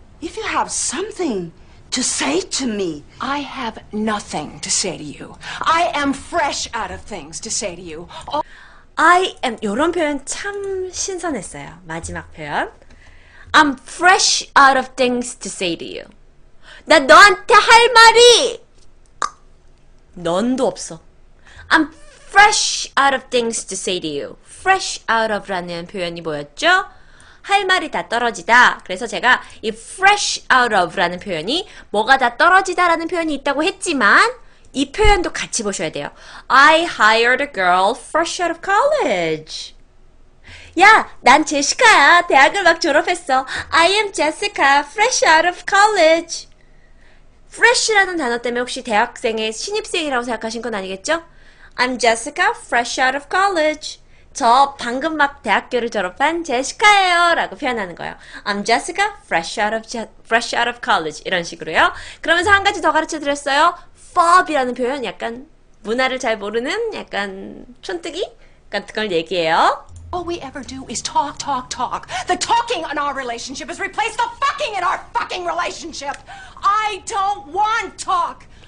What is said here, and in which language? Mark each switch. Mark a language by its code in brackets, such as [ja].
[en] If you have something to say to me, I have nothing to say to you. I am fresh out of things to say to you. I am, [ko] 이런 표현 참 신선했어요. 마지막 표현. [en] I'm fresh out of things to say to you. [ko] 나 너한테 할 말이 넌도 없어. [en] I'm fresh out of things to say to you. [ko] Fresh out of라는 표현이 뭐였죠? 할 말이 다 떨어지다. 그래서 제가 이 fresh out of라는 표현이 뭐가 다 떨어지다라는 표현이 있다고 했지만 이 표현도 같이 보셔야 돼요. [en] I hired a girl fresh out of college. [ko] 야, 난 제시카야. 대학을 막 졸업했어. [en] I am Jessica, fresh out of college. [ko] Fresh라는 단어 때문에 혹시 대학생의 신입생이라고 생각하신 건 아니겠죠? [en] I'm Jessica, fresh out of college. [ko] 저 방금 막 대학교를 졸업한 제시카예요. 라고 표현하는 거예요. [en] I'm Jessica, fresh out of college. [ko] 이런 식으로요. 그러면서 한 가지 더 가르쳐드렸어요. FOB이라는 표현, 약간 문화를 잘 모르는 약간 촌뜨기 같은 걸 얘기해요. [en] All we ever do is talk, talk, talk. The talking in our relationship has replaced the fucking in our fucking relationship. I don't want talk.